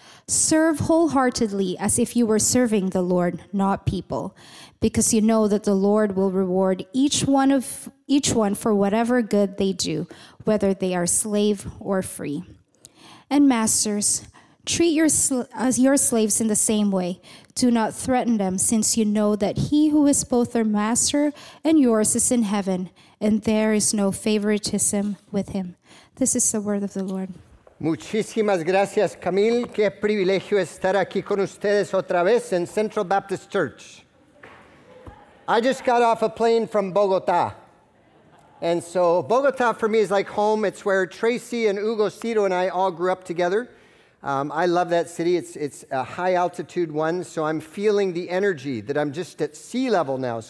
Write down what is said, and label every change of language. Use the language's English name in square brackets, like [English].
[English] Serve wholeheartedly as if you were serving the Lord, not people, because you know that the Lord will reward each one for whatever good they do, whether they are slave or free. And masters, treat your slaves in the same way. Do not threaten them, since you know that he who is both their master and yours is in heaven, and there is no favoritism with him. This is the word of the Lord. [Spanish] Muchísimas gracias, Camille. Qué privilegio estar aquí con ustedes otra vez en Central Baptist Church. [English] I just got off a plane from Bogotá. And so Bogotá for me is like home. It's where Tracy and Hugo Cito and I all grew up together. I love that city. It's a high altitude one, so I'm feeling the energy that I'm just at sea level now.